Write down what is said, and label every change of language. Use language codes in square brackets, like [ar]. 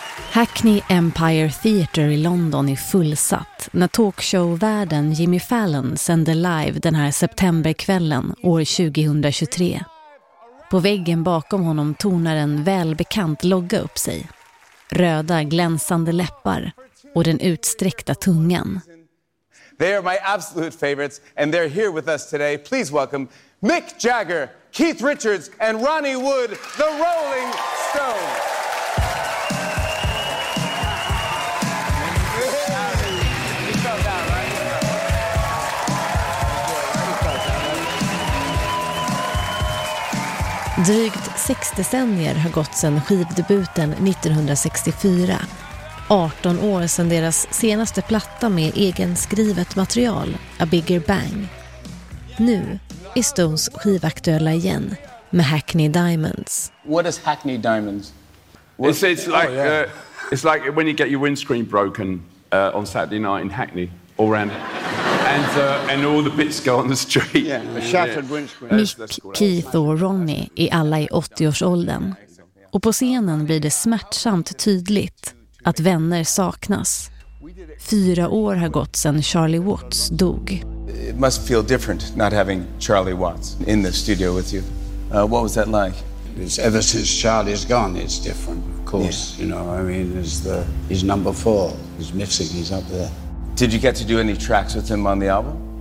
[sv] Hackney Empire Theatre i London är fullsatt när talkshow-värden Jimmy Fallon sände live den här septemberkvällen år 2023. På väggen bakom honom tonar en välbekant logga upp sig. Röda glänsande läppar och den utsträckta tungan. [en] They are my absolute favorites and they're here with us today. Please welcome Mick Jagger, Keith Richards and Ronnie Wood, the Rolling Stones. [sv] Drygt sex decennier har gått sedan skivdebuten 1964. 18 år sedan deras senaste platta med egenskrivet material, A Bigger Bang. Nu är Stones skivaktuella igen med Hackney Diamonds. [en] What is Hackney Diamonds? It's like, oh, yeah. It's like when you get your windscreen broken on Saturday night in Hackney. All around. And all the bits go on the street. Yeah, a shattered windscreen. [sv] Mick, Keith och Ronnie är alla i 80-årsåldern. Och på scenen blir det smärtsamt tydligt att vänner saknas. 4 år har gått sedan Charlie Watts dog. [en] It must feel different not having Charlie Watts in the studio with you. What was that like? It's ever since Charlie's gone, it's different, of course. Yeah. You know, I mean, he's number 4. He's missing, he's up there. Did you get to do any tracks with him on the album?